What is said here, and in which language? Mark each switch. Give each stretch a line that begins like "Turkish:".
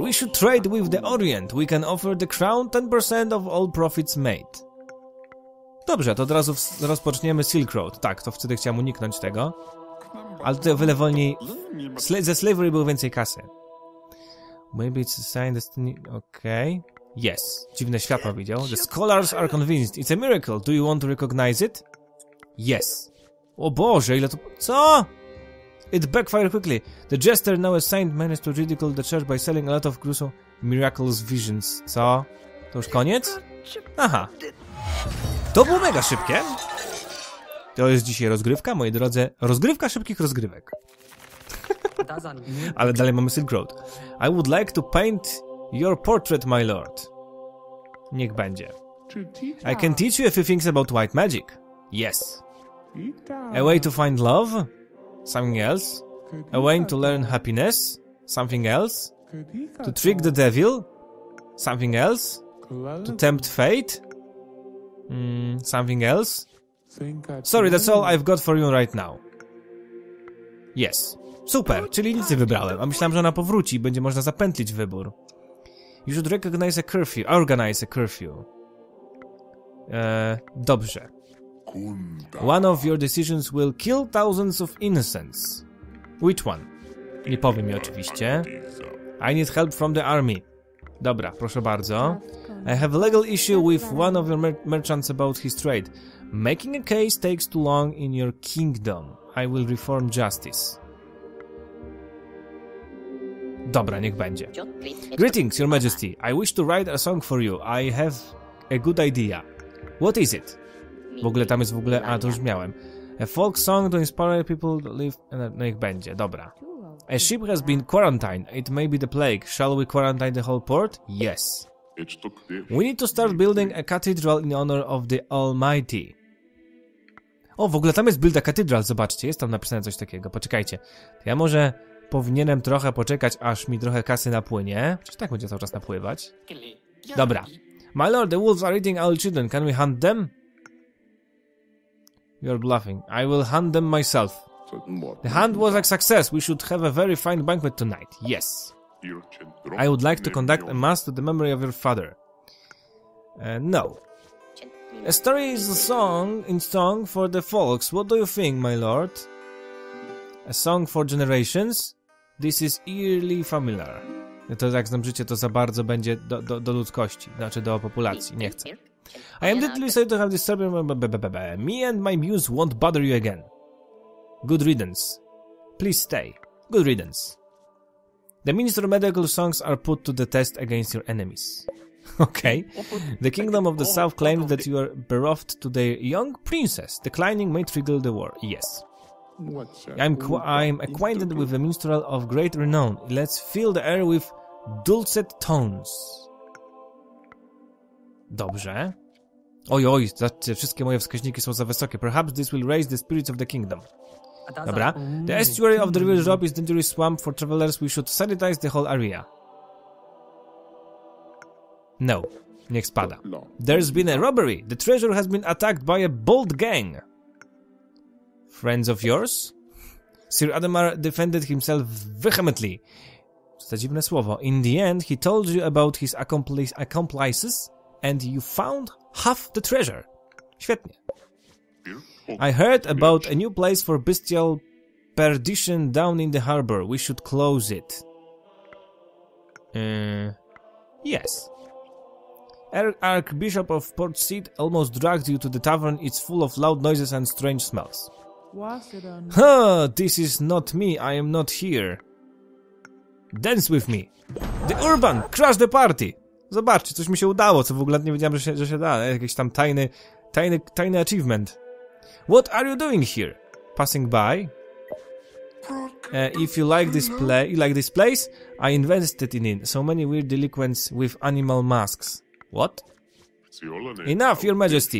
English: We should trade with the Orient. We can offer the crown 10% of all profits made.
Polish: Dobrze, to od razu rozpoczniemy Silk Road. Tak, to wtedy chciałem uniknąć tego. Ale tutaj o wiele wolniej... ze slavery było więcej kasy.
English: Maybe it's a sign destiny... Okej. Okay. Yes.
Polish: Dziwne światło widział.
English: The scholars are convinced. It's a miracle. Do you want to recognize it? Yes.
Polish: O Boże, ile to... Co?
English: It backfired quickly. The jester, now a saint, managed to ridicule the church by selling a lot of gruesome miraculous visions.
Polish: Co? To już koniec? Aha. To było mega szybkie. To jest dzisiaj rozgrywka, moi drodzy. Rozgrywka szybkich rozgrywek. Ale dalej mamy Silk Road.
English: I would like to paint your portrait, my lord.
Polish: Niech będzie.
English: I can teach you a few things about white magic. Yes. A way to find love. Something else. A way to learn happiness. Something else. To trick the devil. Something else. To tempt fate. Something else? Sorry, that's all I've got for you right now. Yes.
Polish: Super, czyli nic nie wybrałem. A myślałem, że ona powróci i będzie można zapętlić wybór.
English: You should recognize a curfew. Organize a curfew.
Polish: Dobrze.
English: One of your decisions will kill thousands of innocents. Which one?
Polish: Nie powiem mi oczywiście.
English: I need help from the army.
Polish: Dobra, proszę bardzo.
English: I have a legal issue with one of your merchants about his trade. Making a case takes too long in your kingdom. I will reform justice.
Polish: Dobra, niech będzie.
English: Greetings, your majesty. I wish to write a song for you. I have a good idea. What is it?
Polish: W ogóle tam jest w ogóle... A, to już miałem.
English: A folk song to inspire people to live...
Polish: Niech będzie, dobra.
English: A ship has been quarantined. It may be the plague. Shall we quarantine the whole port? Yes. We need to start building a cathedral in honor of the Almighty.
Polish: O, w ogóle tam jest
English: build a cathedral,
Polish: zobaczcie, jest tam napisane coś takiego, poczekajcie. Ja może powinienem trochę poczekać, aż mi trochę kasy napłynie. Czyż tak będzie cały czas napływać? Dobra.
English: My lord, the wolves are eating our children, can we hunt them? You're bluffing. I will hunt them myself. The hunt was a success, we should have a very fine banquet tonight, yes. I would like to conduct a mass to the memory of your father. No. A story is a song in song for the folks. What do you think, my lord? A song for generations? This is eerily familiar.
Polish: To jak znam życie, to za bardzo będzie do ludzkości, znaczy do populacji. Nie chcę.
English: I am deeply sorry to have disturbed you. Me and my muse won't bother you again. Good riddance. Please stay. Good riddance. The minister of medical songs are put to the test against your enemies. Okay. The kingdom of the south claims that you are bereft to their young princess. Declining may trigger the war. Yes. I'm acquainted with a minstrel of great renown. Let's fill the air with dulcet tones.
Polish: Dobrze. Oj, zobaczcie, wszystkie moje wskaźniki są za wysokie.
English: Perhaps this will raise the spirits of the kingdom.
Polish: Dobra.
English: The estuary of the river Drop is dangerous swamp for travelers. We should sanitize the whole area. No.
Polish: Niech spada.
English: There's been a robbery. The treasure has been attacked by a bold gang. Friends of yours? Sir Adamar defended himself vehemently.
Polish: Co to dziwne słowo.
English: In the end, he told you about his accomplices and you found half the treasure.
Polish: Świetnie.
English: I heard about a new place for bestial perdition down in the harbor. We should close it. Yes. Archbishop of Port Said almost dragged you to the tavern. It's full of loud noises and strange smells. This is not me. I am not here. Dance with me. The Urban, crush the party.
Polish: Zobaczcie, coś mi się udało, co w ogóle nie wiedziałem, że się da. Jakiś tam tajny achievement.
English: What are you doing here? Passing by? If you like this play, you like this place, I invested in it. So many weird delinquents with animal masks. What? Enough, Your Majesty.